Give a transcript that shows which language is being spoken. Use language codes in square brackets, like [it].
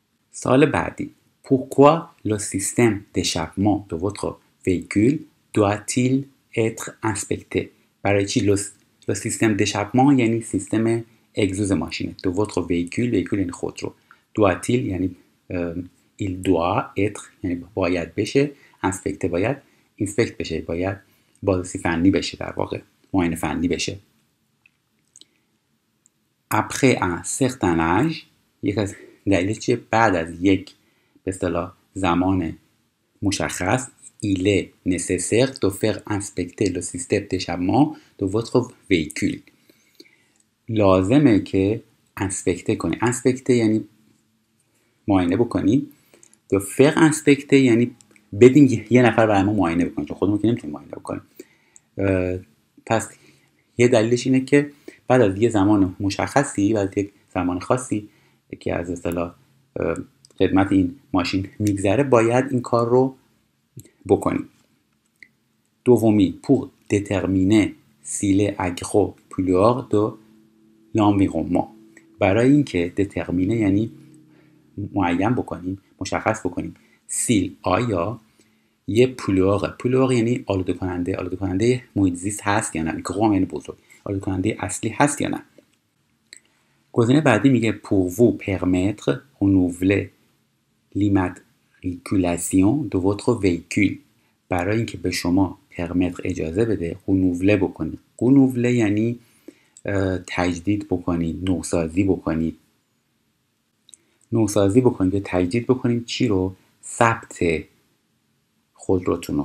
[fa] سال بعدی، [fr] pourquoi le système d'échappement de votre véhicule doit-il être inspecté؟ [fa] برای چی لو سیستم دشپمان یعنی سیستم اگزوز ماشینه، تو [fr] votre véhicule، [fa] véhicule یعنی خودرو، doit-il یعنی [fr] il doit être [fa] یعنی باید بشه، inspecté باید inspect بشه، باید بازرسی فنی بشه، در واقع معاینه فنی بشه. [fr] après un certain âge، [fa] یک از دلیلش چیه؟ بعد از یک به اصطلاح زمان مشخص، [fr] il est nécessaire de faire inspecter le système d'échappement de votre véhicule. [fa] لازمه که انسپکت کنی، انسپکت یعنی معاینه بکنی، [fr] de faire inspecter [fa] یعنی بدین یه نفر برای ما معاینه بکنه، چون خودمون که نمیتونیم معاینه بکنیم. پس یه دلیلش اینه که بعد از یه زمان مشخصی، بعد یک زمان خاصی که از اصطلاح خدمت این ماشین میگذره، باید این کار رو بکنی. [fr] دومی، pour déterminer s'il est agro pollueur de l'environnement. [fa] برای اینکه دترمینه یعنی معین بکنیم، مشخص بکنیم سیل آیا یه پولوار، پولوار یعنی آلوده کننده، آلوده کننده محیط زیست هست یا نه، گرام یعنی بزرگ، آلوده کننده اصلی هست یا نه. گزینه بعدی میگه [fr] pour vous permettre renouveler l'immatriculation de votre véhicule. [fa] برای اینکه به شما پرمتر اجازه بده قنوله بکنی، قنوله یعنی تجدید بکنی، نوسازی بکنی، نوسازی بکنید یا تجدید بکنید چی رو؟ ثبت خودروتون رو.